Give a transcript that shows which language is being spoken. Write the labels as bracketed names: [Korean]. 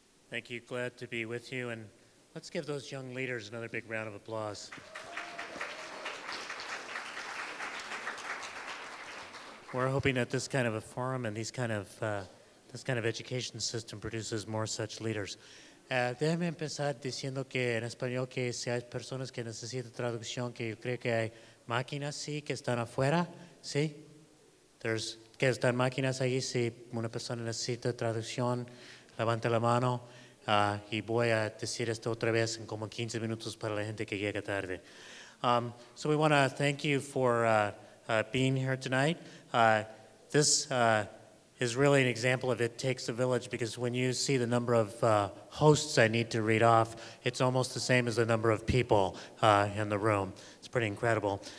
[English] Thank you. Glad to be with you. And let's give those young leaders another big round of applause. We're hoping that this kind of a forum and these kind of this kind of education system produces more such leaders. [Spanish] Déjame empezar diciendo que en español que si hay personas que necesitan traducción, que yo creo que hay máquinas, sí, que están afuera, sí. There's que están máquinas ahí, si una persona necesita traducción, levante la mano. Y voy a decir esto otra vez en como 15 minutos para la gente que llega tarde. [English] So we want to thank you for being here tonight. This is really an example of it takes a village, because when you see the number of hosts I need to read off, it's almost the same as the number of people in the room. It's pretty incredible.